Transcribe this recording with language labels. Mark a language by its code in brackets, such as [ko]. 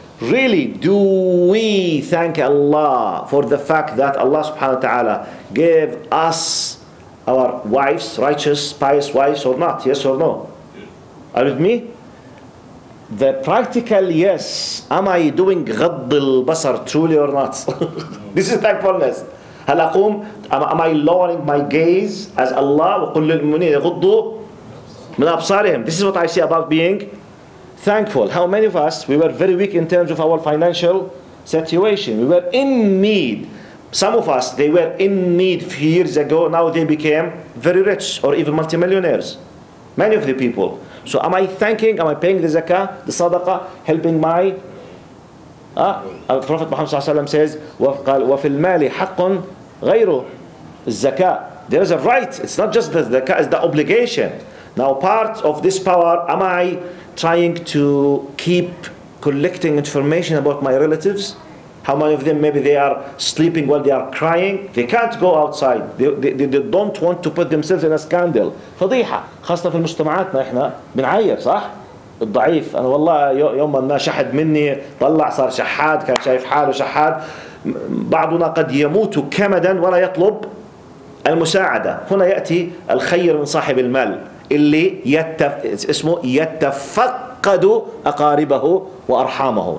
[en] Really, do we thank Allah for the fact that Allah subhanahu wa ta'ala gave us our wives, righteous, pious wives, or not? Yes or no? Yes. Are you with me? The practical yes, am I doing ghadd al-basar truly or not? This is thankfulness. [ar] هل أقوم, [en] am I lowering my gaze as Allah [ar] وقل للمؤمنين غضوا من أبصارهم. [en] This is what I see about being thankful. How many of us, we were very weak in terms of our financial situation. We were in need. Some of us, they were in need a few years ago. Now they became very rich or even multimillionaires. Many of the people. So am I thanking, am I paying the zakah, the sadaqah, helping my... Prophet Muhammad Sallallahu Alaihi Wasallam says, [ar] وَفِي الْمَالِ حَقٌ غَيْرُ الزَّكَاءِ. [en] There is a right, it's not just the zakah, it's the obligation. Now part of this power, am I trying to keep collecting information about my relatives? How many of them, maybe they are sleeping while they are crying? They can't go outside. They don't want to put themselves in a scandal. [ar] فضيحة. خاصة في المجتمعاتنا احنا بنعير صح؟ الضعيف. أنا والله يوم ما شحد مني طلع صار شحاد, كان شايف حاله شحاد. بعضنا قد يموت كمدا ولا يطلب المساعدة. هنا يأتي الخير من صاحب المال اللي يتفقد أقاربه وأرحامه.